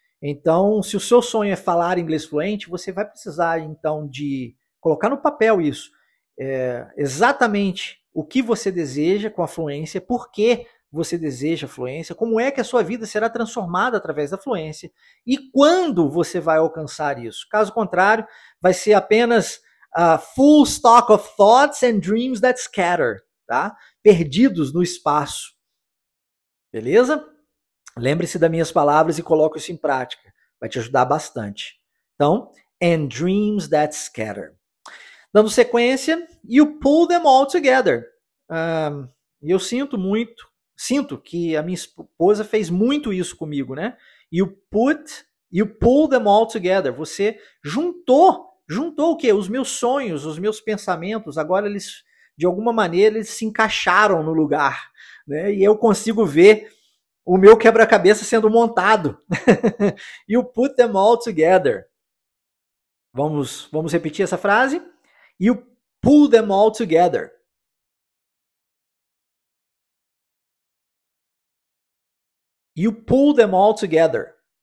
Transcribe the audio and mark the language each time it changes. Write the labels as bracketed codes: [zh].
[pt] Então, se o seu sonho é falar inglês fluente, você vai precisar então de colocar no papel isso. Exatamente o que você deseja com a fluência, por que você deseja a fluência, como é que a sua vida será transformada através da fluência e quando você vai alcançar isso. Caso contrário, vai ser apenas [en] Full stock of thoughts and dreams that scatter, [pt] tá? Perdidos no espaço. Beleza? Lembre-se das minhas palavras e coloque isso em prática. Vai te ajudar bastante. Então, [en] and dreams that scatter. [pt] Dando sequência, [en] you pull them all together. [pt] Eu sinto que a minha esposa fez muito isso comigo, né? [en] You pull them all together. [pt] Você juntou o quê? Os meus sonhos, os meus pensamentos, agora eles, de alguma maneira, eles se encaixaram no lugar, né? E eu consigo ver o meu quebra-cabeça sendo montado. [en] You put them all together. [pt] Vamos repetir essa frase? [en] You pull them all together. You pull them all together.